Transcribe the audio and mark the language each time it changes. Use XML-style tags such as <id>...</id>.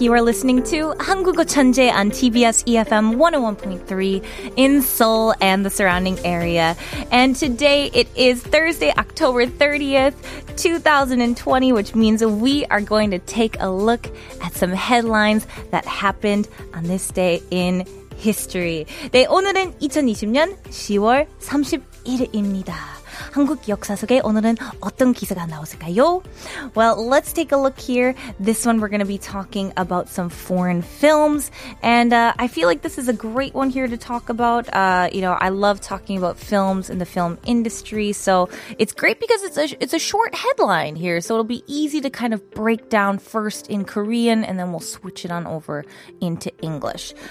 <en>You are listening to 한국어 천재 on TBS EFM 101.3 in Seoul and the surrounding area. And today it is Thursday, October 30th, 2020, which means we are going to take a look at some headlines that happened on this day in history.</en> <ko>네, 오늘은 2020년 10월 31일입니다. 한국 역사 속에 오늘은 어떤 기사가 나왔을까요?</ko> <en>Well, let's take a look here. This one we're going to be talking about some foreign films. And I feel like this is a great one here to talk about. You know, I love talking about films and the film industry. So it's great because it's a short headline here. So it'll be easy to kind of break down first in Korean and then we'll switch it on over into English.</en>